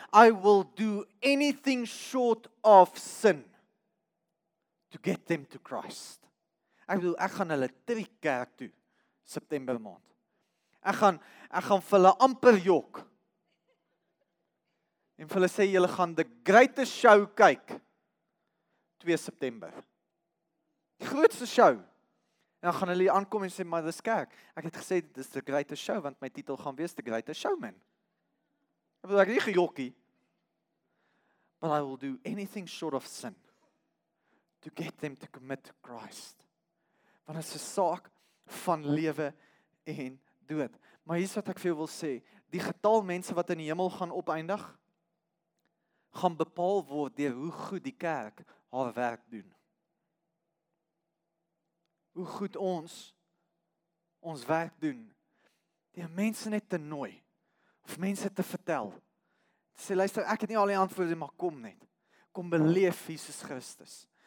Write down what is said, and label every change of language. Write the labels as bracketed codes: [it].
[en] I will do anything short of sin to get them to Christ. [af] Ek gaan hulle trek kerk toe. September maand. Ek gaan vir hulle amper jok. En vir hulle sê, julle gaan [en] the greatest show [af] kyk. 2 September. Die grootste show. En dan gaan hulle hier aankom en sê, maar dis kerk. Ek het gesê, dit is [en] the greatest show, [af] want my titel gaan wees [en] the greatest showman. [af] Ek wil ek nie gejokkie. [en] But I will do anything short of sin to get them to commit to Christ. [af] Want as 'n saak van lewe en dood. Maar hier is wat ek vir jou wil sê, die getal mense wat in die hemel gaan opeindig, gaan bepaal word deur hoe goed die kerk haar werk doen. Hoe goed ons werk doen, die mense net te nooi, of mense te vertel, te sê, luister, ek het nie al die antwoorde, maar kom net, kom beleef Jesus Christus.